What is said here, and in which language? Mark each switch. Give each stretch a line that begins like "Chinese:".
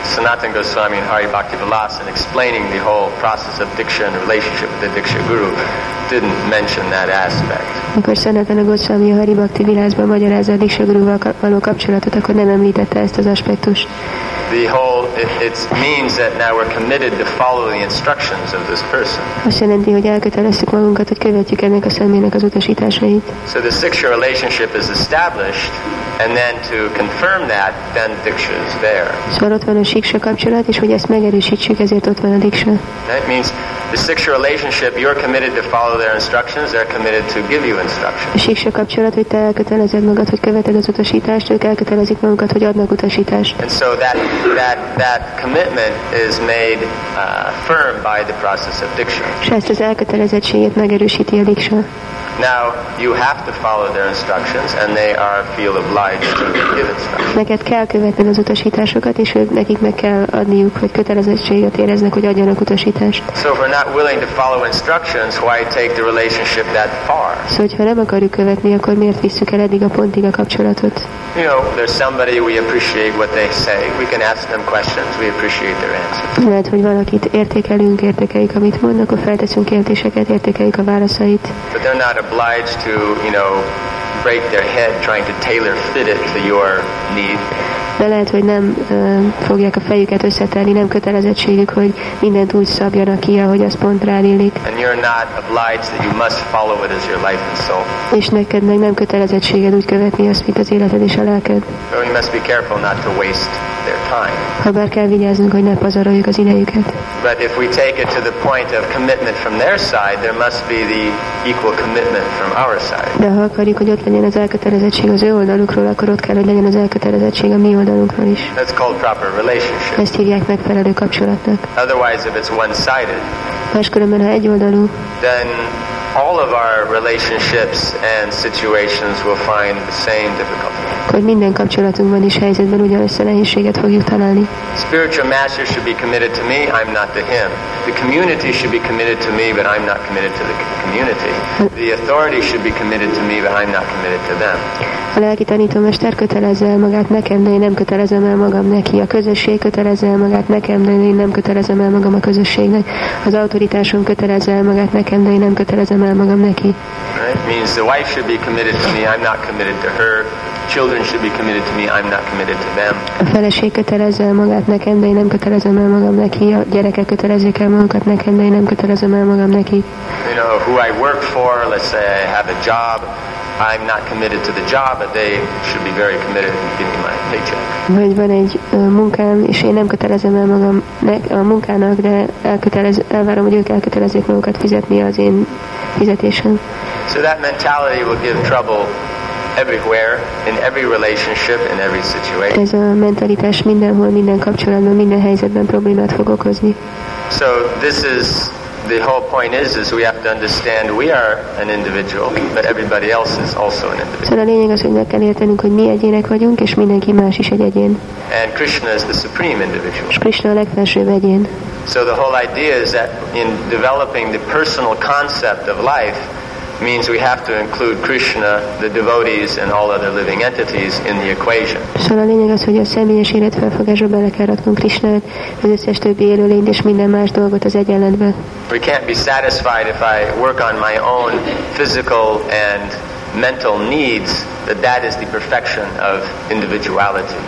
English: Sanatan Goswami and Hari Bhakti Vilas in explaining the whole process of diksha and relationship with the diksha guru didn't mention that aspect.
Hungarian: Amikor Sanatan Goswami a Hari Bhakti Vilasban magyarázza a diksha guruval való kapcsolatot, akkor nem említette ezt az aspektust.
English: The whole it means that now we're committed to follow the instructions of this person.
Hungarian: Azt jelenti, hogy elkötelezzük magunkat, hogy követjük ennek a személynek az utasításait.
English: So the sexual relationship is established, and then to confirm that, then diksha is there.
Hungarian: Szóval ott van a siksa kapcsolat, és hogy ezt megerősítsük, ezért ott van a diksa.
English: That means the sexual relationship, you're committed to follow their instructions, they're committed to give you instructions.
Hungarian: A siksa kapcsolat, hogy te elkötelezed magad, hogy követed az utasítást, ők elkötelezik magukat, hogy adnak utasítást.
English: And so that commitment is made firm by the process of diksha.
Hungarian: És ezt az elkötelezettséget megerősíti a diksa.
English: Now you have to follow their instructions, and they are feel obliged to give instructions.
Hungarian: Neked kell követned az utasításokat, és nekik meg kell adniuk, hogy kötelezettséget éreznek, hogy adjanak utasítást.
English: So if we're not willing to follow instructions, why take the relationship that far?
Hungarian: So hogyha nem akarjuk követni, akkor miért visszük el eddig a pontig a kapcsolatot?
English: You know, there's somebody we appreciate what they say. We can ask them questions. We appreciate their answers.
Hungarian: Lehet, hogy valakit értékelünk, értékeljük, amit mondnak, akkor felteszünk kérdéseket, értékeljük a válaszait.
English: But they're not obliged to, you know, break their head trying to tailor fit it to your need.
Hungarian: De lehet, hogy nem fogják a fejüket összetenni, nem kötelezettségük, hogy mindent úgy szabjanak ki, ahogy az pont rá illik.
English: And you're not obliged that you must follow it as your life and soul.
Hungarian: És neked meg nem kötelezettséged úgy követni azt, mint az életed és a lelked.
English: So you must be careful not to waste their time.
Hungarian: Habár kell vigyáznunk, hogy ne pazaroljuk az idejüket.
English: But if we take it to the point of commitment from their side, there must be the equal commitment from our side.
Hungarian: De ha akarjuk, hogy ott legyen az elkötelezettség az ő oldalukról, akkor ott kell, hogy legyen az elkötelezettség a mi oldalunkról is.
English: That's called proper relationship.
Hungarian: Ezt hívják megfelelő kapcsolatnak.
English: Otherwise, if it's one-sided,
Hungarian: máskülönben, ha egyoldalú,
English: then all of our relationships and situations will find the same difficulty.
Hungarian: Akkor minden kapcsolatunkban is helyzetben ugyanezt a nehézséget fogjuk találni.
English: Spiritual master should be committed to me, I'm not to him. The community should be committed to me, but I'm not committed to the community. The authority should be committed to me, but I'm not committed to them.
Hungarian: A lelki tanítómester kötelezze magát nekem, de én nem kötelezem el magam neki. A közösség kötelezze magát nekem, de én nem kötelezem el magam a közösségnek. Az autoritásom kötelezze magát nekem, de én nem kötelezem el magam neki.
English: Right? Means the wife should be committed to me, I'm not committed to her. Children should be committed to me, I'm not committed to them.
Hungarian: A feleség kötelezze magát nekem, de én nem kötelezem el magam neki. A gyerekek kötelezzék el magukat nekem, de én nem kötelezem el magam neki.
English: You know, who I work for, let's say I have a job, I'm not committed to the job, but they should be very committed to giving me my paycheck.
Hungarian: Vagy van egy munkám, és én nem kötelezem el magam a munkának, de elvárom, hogy ők elkötelezzék magukat fizetni az én fizetésem.
English: So that mentality will give trouble everywhere, in every relationship, in every situation.
Hungarian: Ez a mentalitás mindenhol, minden kapcsolatban, minden helyzetben problémát fog okozni.
English: So this is the whole point is we have to understand we are an individual, but everybody else is also an individual.
Hungarian: Szóval a lényeg az, hogy meg kell értenünk, hogy mi egyének vagyunk, és mindenki más is egy egyén.
English: And Krishna is the supreme individual.
Hungarian: És Krishna a legfelsőbb egyén.
English: So the whole idea is that in developing the personal concept of life, means we have to include Krishna, the devotees, and all other living entities in the equation.
Hungarian: Szóval a lényeg az, hogy a személyes életfelfogásba bele kell raknunk Krishnát, az összes többi élőlényt és minden más dolgot az egyenletbe.
English: We can't be satisfied if I work on my own physical and mental needs, that is the perfection of individuality.